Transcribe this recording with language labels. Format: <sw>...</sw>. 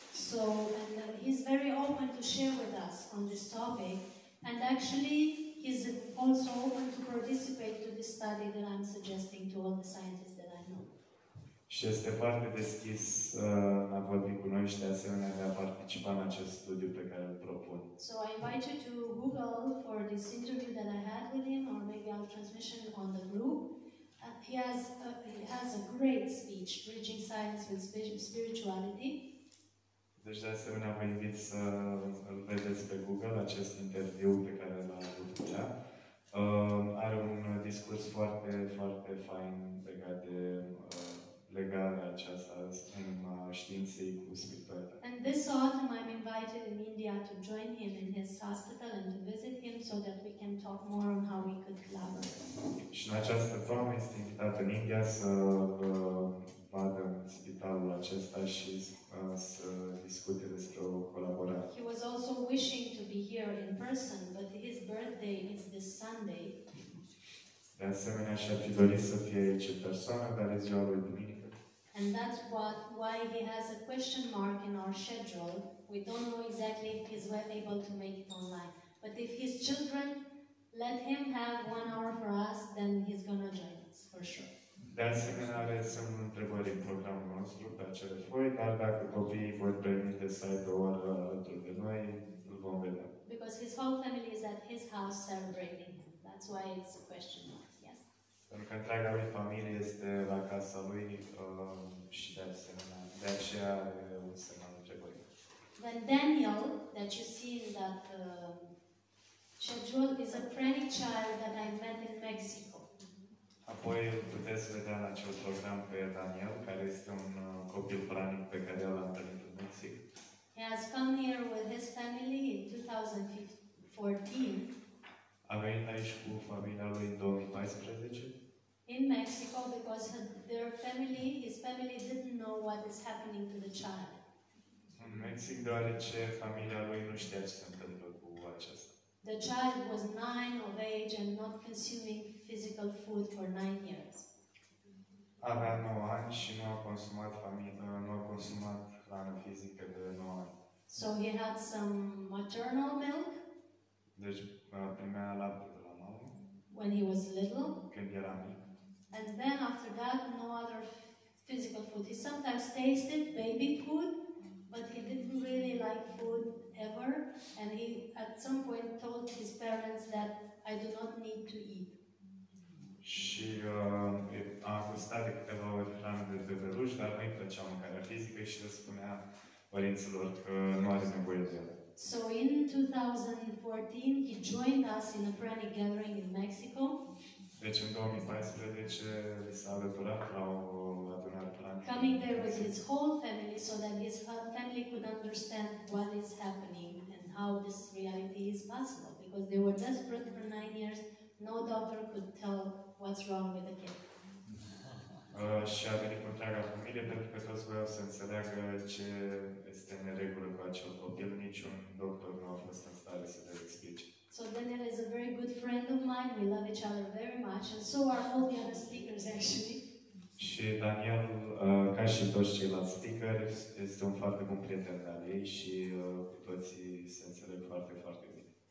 <en>So, and he's very open to share with us on this topic. And actually, he's also open to participate to the study that I'm suggesting to all the scientists that I know.</en> <ro>Și este foarte deschis a vorbi cu noi și de asemenea de a participa în acest studiu pe care îl propun.</ro> <en>So I invite you to Google for this interview that I had with him, or maybe I'll transmission on the group. He has a great speech, bridging science with spirituality.</en> <ro>Deci de asemenea vă invit să îl vedeți pe Google, acest interviu pe care l-a avut cu ea. Are un discurs foarte, foarte fain legat de legarea aceasta în științei cu spiritualitatea.</ro> <en>And this autumn I'm invited in India to join him in his hospital and to visit him so that we can talk more on how we could collaborate.</en> <ro>Și în această formă este invitat în India să vadă în spitalul acesta și să discute despre o colaborare.</ro> <en>He was also wishing to be here in person, but his birthday is this Sunday.</en> <ro>De asemenea, și-ar fi dorit să fie aici în persoană, dar e ziua lui duminică.</ro> <en>And that's why he has a question mark in our schedule. We don't know exactly if he's well able to make it online. But if his children let him have 1 hour for us, then he's gonna join us, for sure.</en> <ro>De asemenea, are semnul întrebării în programul nostru pe acele foi, dar dacă copiii vor permite să aibă o oră alături de noi, îl vom vedea.</ro> <en>Because his whole family is at his house celebrating him. That's why it's a question mark, yes.</en> <ro>Pentru că întreaga lui familie este la casa lui și de asemenea, de aceea are un semnal întrebării.</ro> <en>Then Daniel, that you see in that schedule, is a pranic child that I met in Mexico.</en> <ro>Apoi puteți vedea în acel program pe Daniel, care este un copil pranic pe care l-am întâlnit în Mexic.</ro> <en>He has come here with his family in 2014.</en> <ro>A venit aici cu familia lui în 2014.</ro> <en>In Mexico, because his family didn't know what is happening to the child.</en> <ro>În Mexic, deoarece familia lui nu știa ce se întâmplă cu acesta.</ro> <en>The child was 9 of age and not consuming physical food for 9 years.</en> <ro>Avea 9 ani și nu a consumat hrană fizică de 9 ani.</ro> <en>So he had some maternal milk.</en> <ro>Deci primea lapte de la mamă.</ro> <en>When he was little.</en> <ro>Când era mic.</ro> <en>And then after that, no other physical food. He sometimes tasted baby food, but he didn't really like food ever, and he at some point told his parents that I do not need to eat.</en> <ro>Și a gustat de câteva ori hrană de bebeluș, dar nu-i plăcea mâncarea fizică și le spunea părinților că nu are nevoie de ea.</ro> <en>So in 2014 he joined us in a pranic gathering in Mexico.</en> <ro>Deci în 2014 s-a alăturat la o adunare pranic.</ro> <en>Coming there with his whole family so that his family could understand what is happening and how this reality is possible, because they were desperate for 9 years. No doctor could tell what's wrong with the kid.</en> <ro>Și a venit cu întreaga familie pentru că toți voiau să înțeleagă ce este în regulă cu acel copil. Niciun doctor nu a fost în stare să le explice.</ro> <en>So Daniel is a very good friend of mine. We love each other very much, and so are all the other speakers, actually.</en> <ro>Și Daniel, ca ca și toți ceilalți speakeri, este un foarte bun prieten de-al ei și cu toții se înțeleg foarte, foarte bine.</ro>